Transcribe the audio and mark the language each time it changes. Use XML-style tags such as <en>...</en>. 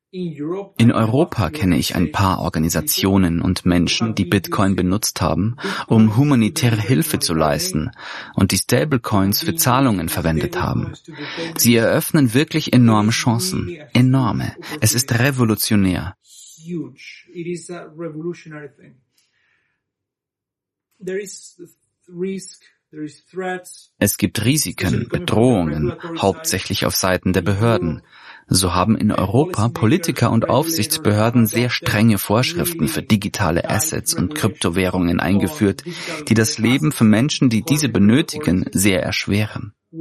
<de>In Europa kenne ich ein paar Organisationen und Menschen, die Bitcoin benutzt haben, um humanitäre Hilfe zu leisten und die Stablecoins für Zahlungen verwendet haben. Sie eröffnen wirklich enorme Chancen, enorme. Es ist revolutionär.</de> <en>It is a revolutionary thing. There is risk.</en> <de>Es gibt Risiken, Bedrohungen, hauptsächlich auf Seiten der Behörden. So haben in Europa Politiker und Aufsichtsbehörden sehr strenge Vorschriften für digitale Assets und Kryptowährungen eingeführt, die das Leben für Menschen, die diese benötigen, sehr erschweren.</de>